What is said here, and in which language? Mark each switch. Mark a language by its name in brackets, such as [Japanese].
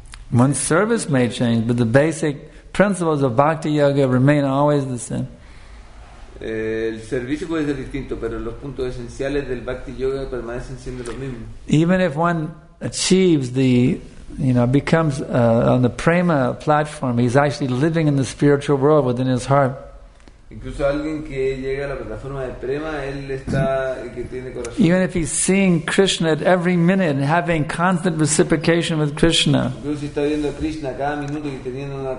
[English] One's service may change, but the basic principles of bhakti yoga remain always the same. [Spanish] El servicio puede ser distinto, pero los puntos esenciales del bhakti yoga permanecen siendo los mismos. [English] Even if one achieves the, you know, becomes on the prema platform, he's actually living in the spiritual world within his heart. [Spanish] Incluso alguien que llega a la plataforma de prema, él está y que tiene corazón. [English] Even if he's seeing Krishna at every minute and having constant reciprocation with Krishna. [Spanish] Incluso está viendo a Krishna cada minuto y teniendo una